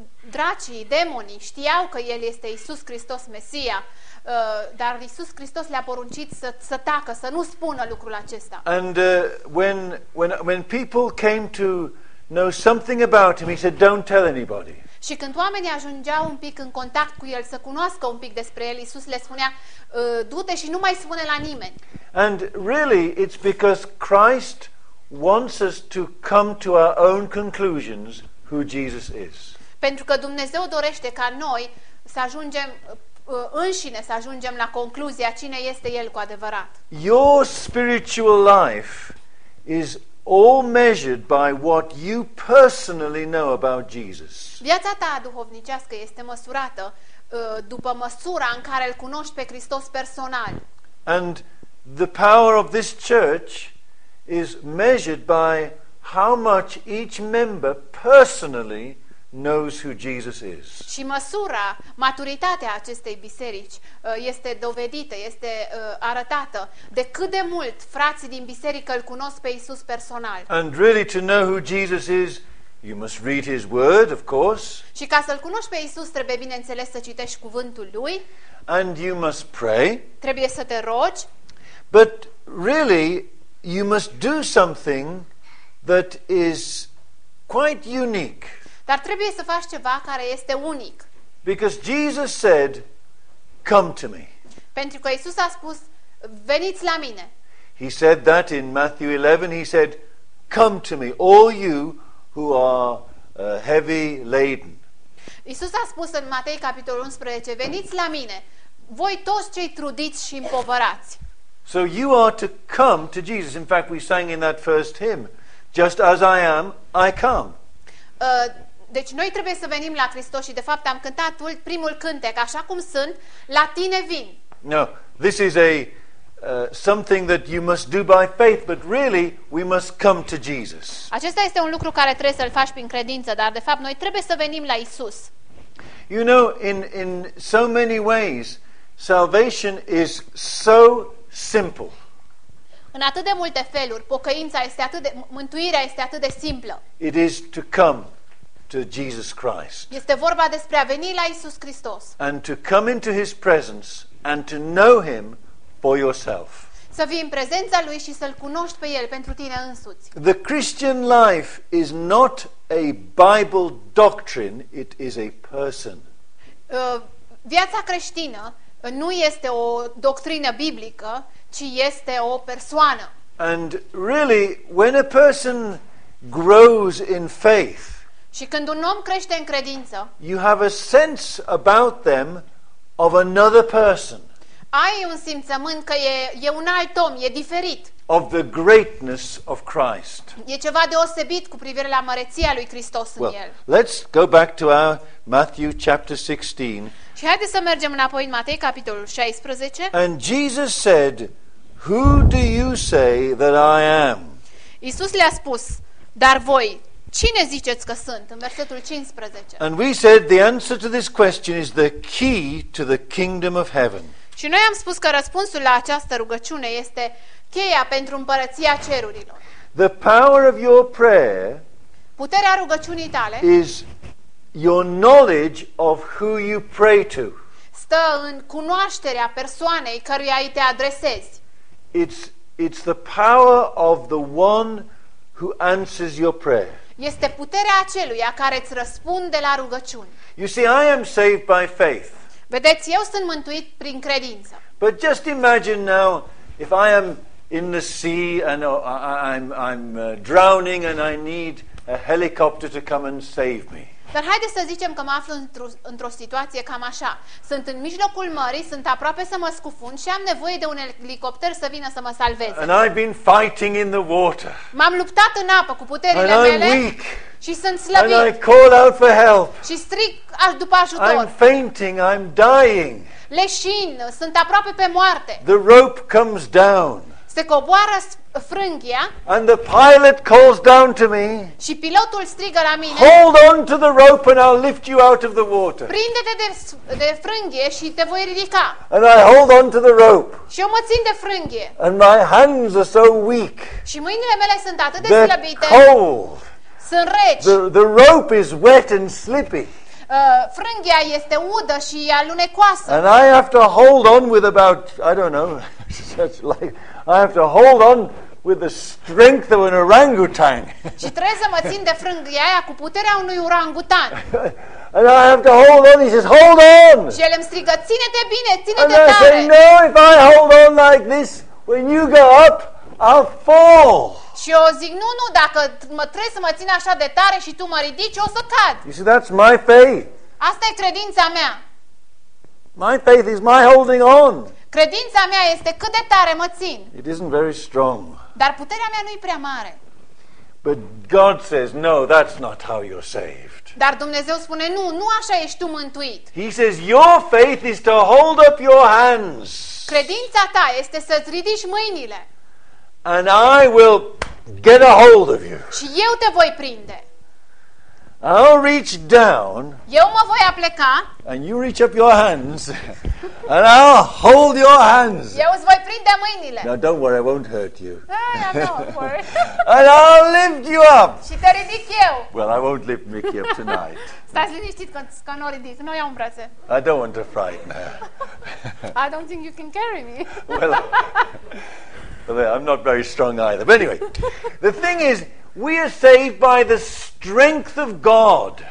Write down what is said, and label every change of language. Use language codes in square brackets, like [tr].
[ro] Dracii, demonii știau că el este Iisus Hristos Mesia, dar Iisus Hristos le-a poruncit să tacă, să nu spună lucrul acesta. [en] And when people came to know something about him, he said, "Don't tell anybody." [ro] Și când oamenii ajungeau un pic în contact cu el, să cunoască un pic despre el, Iisus le spunea, du-te și nu mai spune la nimeni. [en] And really, it's because Christ wants us to come to our own conclusions who Jesus is. [ro] Pentru că Dumnezeu dorește ca noi să ajungem înșine, să ajungem la concluzia cine este el cu adevărat. [en] Your spiritual life is all measured by what you personally know about Jesus. [ro] Viața ta duhovnicească este măsurată după măsura în care îl cunoști pe Hristos personal. [en] And the power of this church is measured by how much each member personally knows who Jesus is. [ro] Și măsura, maturitatea acestei biserici este dovedită, este arătată de cât de mult frații din biserică îl cunosc pe Iisus personal. [en] And really to know who Jesus is, you must read his word, of course. [ro] Și ca să-l cunoști pe Iisus, trebuie bineînțeles să citești cuvântul lui. [en] And you must pray. [ro] Trebuie să te rogi. [en] But really you must do something that is quite unique. [ro] Dar trebuie să faci ceva care este unic. [en] Because Jesus said, "Come to me." [ro] Pentru că Iisus a spus, veniți la mine. [en] He said that in Matthew 11. He said, "Come to me, all you who are heavy laden." [ro] Iisus a spus în Matei capitolul 11, veniți la mine, voi toți cei trudiți și împovărați. [en] So you are to come to Jesus. In fact, we sang in that first hymn, "Just as I am, I come." [ro] Deci noi trebuie să venim la Hristos și de fapt am cântat primul cântec, așa cum sunt, la tine vin. [en] No, this is a something that you must do by faith, but really we must come to Jesus. [ro] Acesta este un lucru care trebuie să-l faci prin credință, dar de fapt noi trebuie să venim la Isus. [en] You know, in so many ways salvation is so simple. [ro] În atât de multe feluri, pocăința este atât de, mântuirea este atât de simplă. [en] It is to come to Jesus Christ. [ro] Este vorba despre a veni la Iisus Hristos. [en] And to come into his presence and to know him for yourself. [ro] Să vii în prezența lui și să-l cunoști pe el pentru tine însuți. [en] The Christian life is not a Bible doctrine, it is a person. [ro] Viața creștină nu este o doctrină biblică, ci este o persoană. [en] And really when a person grows in faith, [ro] și când un om crește în credință, [en] you have a sense about them of another person. [ro] Ai un simțământ că e un alt om, e diferit. [en] Of the greatness of Christ. [ro] E ceva deosebit cu privire la măreția lui Hristos în [en] well, [ro] el. [en] Let's go back to our Matthew chapter 16. [ro] Și haideți să mergem înapoi în Matei capitolul 16. [en] And Jesus said, "Who do you say that I am?" [ro] Iisus le-a spus, "Dar voi cine ziceți că sunt?" În versetul 15. [en] And we said the answer to this question is the key to the kingdom of heaven. [ro] Și noi am spus că răspunsul la această rugăciune este cheia pentru împărăția cerurilor. [en] The power of your prayer, [ro] puterea rugăciunii tale, [en] is your knowledge of who you pray to. [ro] Stă în cunoașterea persoanei căruia îi te adresezi. [en] It's the power of the one who answers your prayer. [ro] Este puterea aceluia care îți răspunde la rugăciuni. [en] You see, I am saved by faith. [ro] Vedeți, eu sunt mântuit prin credință. [en] But just imagine now if I am in the sea and I'm drowning and I need a helicopter to come and save me. [ro] Dar haideți să zicem că mă aflu într-o situație cam așa. Sunt în mijlocul mării, sunt aproape să mă scufund și am nevoie de un elicopter să vină să mă salveze. [en] And I've been fighting in the water. [ro] M-am luptat în apă cu puterile [en] and [ro] mele. [en] I'm weak. [ro] Și sunt slăbit. [en] And I call out for help. [ro] Și strig după ajutor. [en] I'm fainting, I'm dying. [ro] Leșin, sunt aproape pe moarte. [en] The rope comes down. [ro] Se coboară frânghia. [en] And the pilot calls down to me. [ro] Și pilotul strigă la mine. [en] Hold on to the rope and I'll lift you out of the water. [ro] Prinde-te de frânghie și te voi ridica. [en] And I hold on to the rope. [ro] Și eu mă țin de frânghie. [en] And my hands are so weak. [ro] Și mâinile mele sunt atât de slăbite. [en] Cold. [ro] Sunt reci. [en] The rope is wet and slippy. [ro] Frânghia este udă și alunecoasă. [en] And I have to hold on with about, I don't know, such like I have to hold on with the strength of an orangutan. [ro] Și trebuie să mă țin de frânghia aia cu puterea unui orangutan. [en] And I have to hold on. He says, "Hold on." [ro] Și el îmi strigă, ține-te bine, ține-te [en] and [ro] tare. [en] And I say, "No, if I hold on like this, when you go up, I'll fall." [ro] Și eu zic, nu, dacă trebuie să mă țin așa de tare și tu mă ridici, o să cad. [en] You see, that's my faith. [ro] Asta e credința mea. [en] My faith is my holding on. [ro] Credința mea este cât de tare mă țin. [en] It isn't very strong. [ro] Dar puterea mea nu e prea mare. [en] But God says, no, that's not how you're saved. [ro] Dar Dumnezeu spune, nu așa ești tu mântuit. [en] He says, your faith is to hold up your hands. [ro] Credința ta este să-ți ridici mâinile. [en] And I will get a hold of you. [ro] Și eu te voi prinde. [en] I'll reach down. [ro] Eu mă voi apleca. [en] And you reach up your hands. And I'll hold your hands. [ro] Eu îți voi prinde mâinile. [en] Now don't worry, I won't hurt you. Ah, don't worry. And I'll lift you up. [ro] Și te ridic eu. [en] Well, I won't lift Mickey up tonight. [ro] Stai liniștit că nu o ridic, nu o iau în brațe. [en] I don't want to frighten her. I don't think you can carry me. Well, I'm not very strong either. But anyway, the thing is, we are saved by the strength of God.